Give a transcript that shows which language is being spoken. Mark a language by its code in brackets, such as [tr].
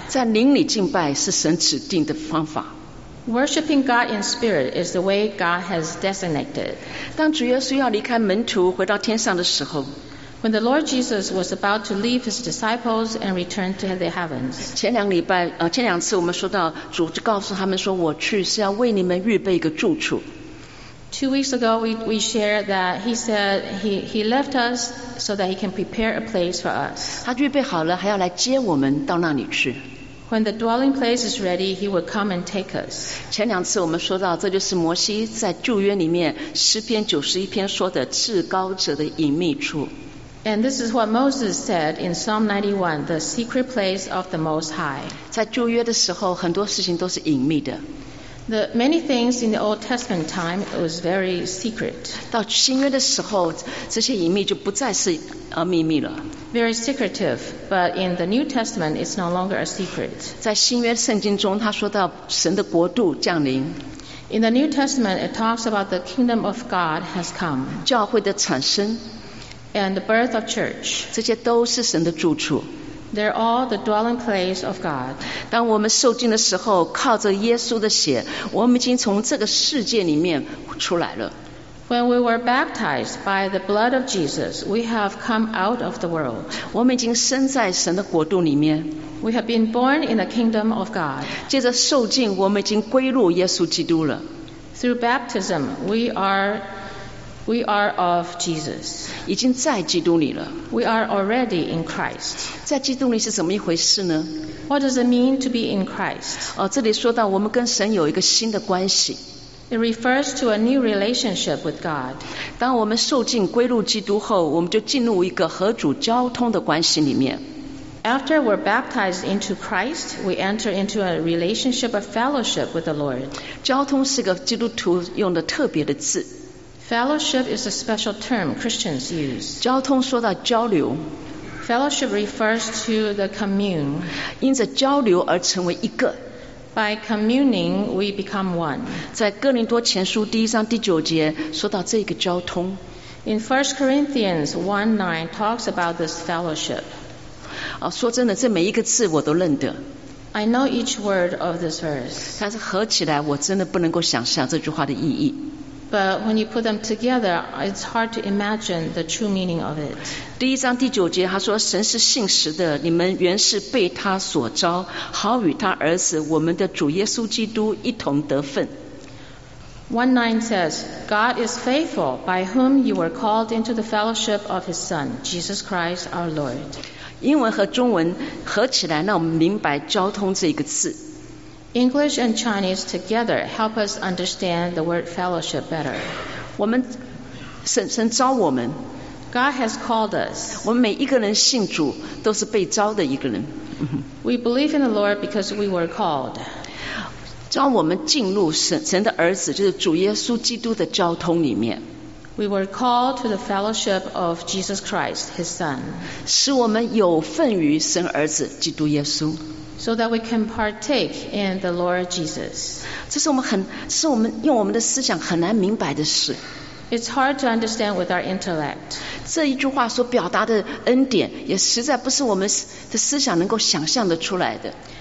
[zh] 在灵里敬拜是神指定的方法。 [en] Worshipping God in spirit is the way God has designated. [zh] 当主耶稣要离开门徒回到天上的时候 [en] ，When the Lord Jesus was about to leave his disciples and return to the heavens. [zh] 前两次我们说到主就告诉他们说我去是要为你们预备一个住处。 [en] Two weeks ago, we shared that he said he left us so that he can prepare a place for us. [zh] 他预备好了，还要来接我们到那里去。 [en] When the dwelling place is ready, he will come and take us. [zh] 前两次我们说到，这就是摩西在旧约里面诗篇九十一篇说的至高者的隐秘处。 [en] And this is what Moses said in Psalm 91, the secret place of the Most High. [zh] 在旧约的时候，很多事情都是隐秘的。 [en] The many things in the Old Testament time it was very secret. [zh] 到新约的时候，这些隐秘就不再是秘密了。 [en] Very secretive, but in the New Testament, it's no longer a secret. [zh] 在新约圣经中，他说到神的国度降临。 [en] In the New Testament, it talks about the kingdom of God has come. [zh] 教会的产生。 [en] and the birth of church. [zh] 这些都是神的住处。 [en] They're all the dwelling place of God. [zh] 当我们受浸的时候，靠着耶稣的血，我们已经从这个世界里面出来了。 [en] When we were baptized by the blood of Jesus, we have come out of the world. [zh] 我们已经生在神的国度里面。 [en] We have been born in the kingdom of God. [zh] 借着受浸，我们已经归入耶稣基督了。 [en] Through baptism, we are of Jesus. [zh] 已经在基督里了。 [en] We are already in Christ. [zh] 在基督里是怎么一回事呢？ [en] What does it mean to be in Christ? [zh] 这里说到我们跟神有一个新的关系。 [en] It refers to a new relationship with God. [zh] 当我们受浸归入基督后，我们就进入一个和主交通的关系里面。 [en] After we're baptized into Christ, we enter into a relationship of fellowship with the Lord. [zh] 交通是个基督徒用的特别的字。 [en] Fellowship is a special term Christians use. [zh] 交通说到交流。 [en] Fellowship refers to the commune. [zh] 因着交流而成为一个。 [en] By communing, we become one. [zh] 在哥林多前书第一章第九节说到这个交通。 [en] In 1 Corinthians 1:9 talks about this fellowship. [zh] 说真的，这每一个字我都认得。 [en] I know each word of this verse. [zh] 但是合起来，我真的不能够想象这句话的意义。 [en] But when you put them together, it's hard to imagine the true meaning of it. [zh] 第一章第九节他说神是信实的，你们原是被他所召，好与他儿子我们的主耶稣基督一同得分。 [en] 1:9 says, God is faithful by whom you were called into the fellowship of his son, Jesus Christ our Lord. [zh] 英文和中文合起来让我们明白交通这个字。 [en] English and Chinese together help us understand the word fellowship better. [zh] 我们神召我们。 [en] God has called us. [zh] 我们每一个人信主都是被召的一个人。 [en] We believe in the Lord because we were called. [zh] 召我们进入神的儿子，就是主耶稣基督的交通里面。 [en] We were called to the fellowship of Jesus Christ, His Son. [zh] 使我们有份于神儿子基督耶稣。 [en] So that we can partake in the Lord Jesus. [zh] 是我们用我们的思想很难明白的事。 [en] It's hard to understand with our intellect. [zh] 这一句话所表达的恩典，也实在不是我们的思想能够想象的出来的。